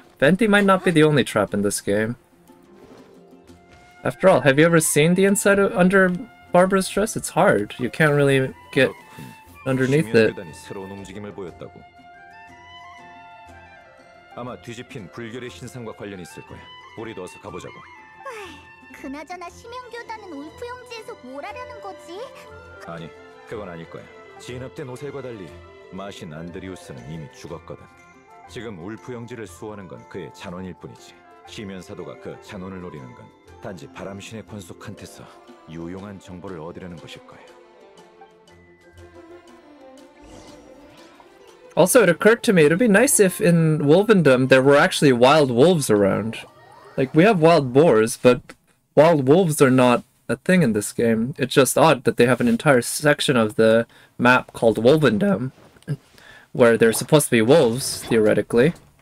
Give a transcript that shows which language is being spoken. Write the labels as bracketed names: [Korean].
[English] Venti might not be the only trap in this game. After all, have you ever seen the inside of under Barbara's dress? It's hard. You can't really get underneath it. [Korean] 심연 교단이 새로운 움직임을 보였다고. 아마 뒤집힌 불결의 신상과 관련이 있을 거야. 우리도 어서 가보자고. 그나저나 심연 교단은 울프 형제에서 뭘 하려는 거지? 아니, 그건 아닐 거야. 진압된 오셀과 달리 마신 안드리우스는 이미 죽었거든. 지금 울프 형제를 수호하는 건 그의 잔원일 뿐이지. 심연 사도가 그 잔원을 노리는 건 단지 바람신의 권속한테서 유용한 정보를 얻으려는 것일 거예요. [English] Also, it occurred to me it would be nice if in Wolvendom there were actually wild wolves around. Like, we have wild boars, but wild wolves are not a thing in this game. It's just odd that they have an entire section of the map called Wolvendom, where there are supposed to be wolves, theoretically.